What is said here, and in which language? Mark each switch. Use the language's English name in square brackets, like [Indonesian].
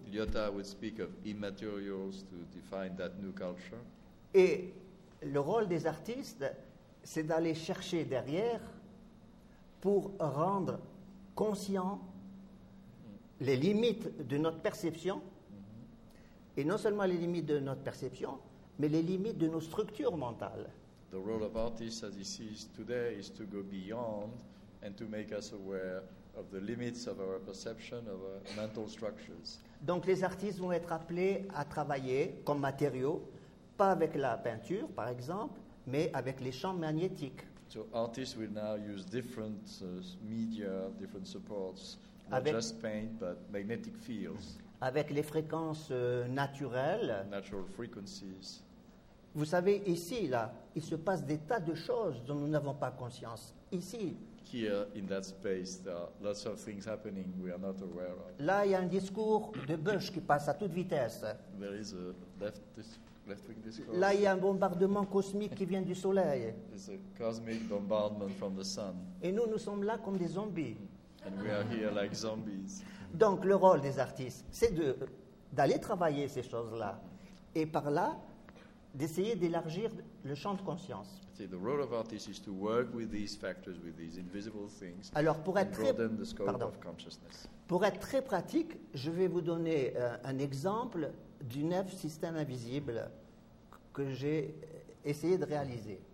[English] Lyotard would speak of immaterials to define that new culture. [French] Et le rôle des artistes, c'est d'aller chercher derrière pour rendre conscient les limites de notre perception. Et non seulement les limites de notre perception, mais les limites de nos structures mentales. [English] The role of artists as he sees today is to go beyond and to make us aware of the limits of our perception, of our mental structures. [French] Donc les artistes vont être appelés à travailler comme matériaux, pas avec la peinture, par exemple, mais avec les champs magnétiques. [English] So artists will now use different media, different supports, not avec, just paint, but magnetic fields. [French] Avec les fréquences naturelles. [English] Natural frequencies. [French] Vous savez, ici, là, il se passe des tas de choses dont nous n'avons pas conscience. Ici. [English] Here, in that space, there are lots of things happening we are not aware of. [French] Là, il y a un discours de Bush qui passe à toute vitesse. [English] There is a left-wing discourse. [French] Là, il y a un bombardement cosmique qui vient du soleil. [English] There's a cosmic bombardment from the sun. [French] Et nous sommes là comme des zombies. [English] And we are here like zombies. [French] Donc, le rôle des artistes, c'est d'aller travailler ces choses-là. Et par là, d'essayer d'élargir le champ de conscience. [English] See, the role of artists is to work with these factors, with these invisible things. [French] Alors, pour être [English] broaden the scope of consciousness. [French] Pour être très pratique, je vais vous donner un exemple d'une œuvre système invisible que j'ai essayé de réaliser.